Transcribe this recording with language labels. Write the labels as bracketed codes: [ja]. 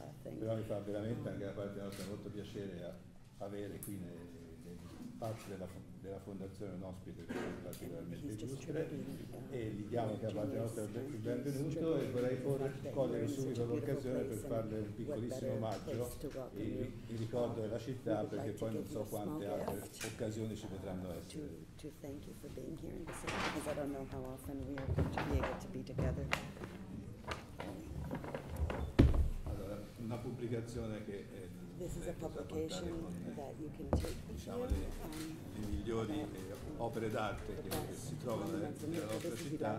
[it] Però mi fa veramente anche da parte nostra molto piacere avere qui nei spazi della Fondazione un ospite che è particolarmente illustre e gli diamo anche da parte nostra il benvenuto e vorrei cogliere subito l'occasione per farle un piccolissimo omaggio in ricordo della città perché poi non so quante altre occasioni ci potranno essere. [en] To thank you for being here in the city because I don't know how often we are going to be able to be together. [it] Una pubblicazione che le migliori opere d'arte che si trovano nella nostra città.